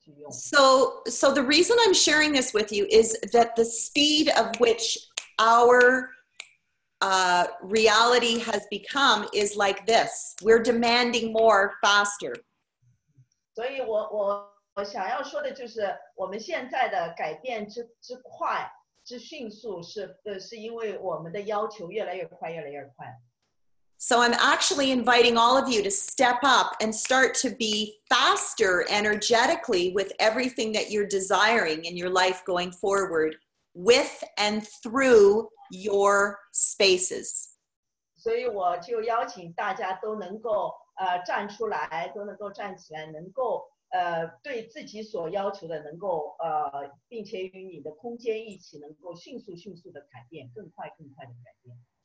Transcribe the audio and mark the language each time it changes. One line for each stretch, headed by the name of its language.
English: So the reason I'm sharing this with you is that the speed of which our reality has become is like this. We're demanding more faster.
Chinese: 所以我想要说的就是我们现在的改变之快之迅速是因为我们的要求越来越快越来越快。
English: So I'm actually inviting all of you to step up and start to be faster energetically with everything that you're desiring in your life going forward with and through your spaces.
Chinese: 所以我就邀请大家都能够站出来，都能够站起来，能够对自己所要求的能够并且与你的空间一起能够迅速的改变，更快更快的改变。